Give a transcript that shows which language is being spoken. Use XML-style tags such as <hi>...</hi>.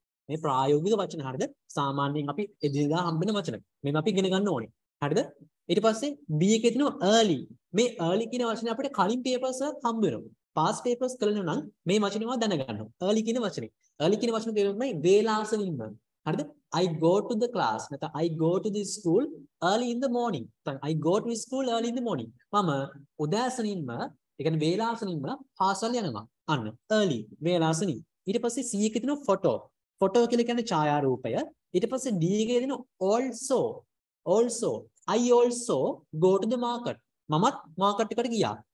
<si>මේ ප්‍රායෝගික වචන හරිද? සාමාන්‍යයෙන් අපි එදිනදා හම්බෙන වචන. මේවා අපි ඉගෙන ගන්න ඕනේ. හරිද? ඊට පස්සේ B එකේ තියෙනවා early. මේ early කියන වචනේ අපිට කලින් papers එකක් හම්බ වෙනවා. past papers කලින් නම් මේ වචනේම දැනගන්න ඕනේ. early කියන වචනේ. early කියන වචනේ තේරුම තමයි වේලාසමින්ම. හරිද?</si> <en>I go to the class නැත්නම් I go to the school early in the morning. නැත්නම් I go to school early in the morning.</en> <si>මම උදෑසනින්ම, ඒ කියන්නේ වේලාසමින්ම පාසල් යනවා. අන්න early වේලාසමින්. ඊට පස්සේ C එකේ තියෙනවා photo. photo කියලා කියන්නේ ඡායාරූපය. ඊට පස්සේ D එකේ දෙන also.</si> <en>also I also go to the market.</en> <si>මමත් මාකට් එකට ගියා.</si>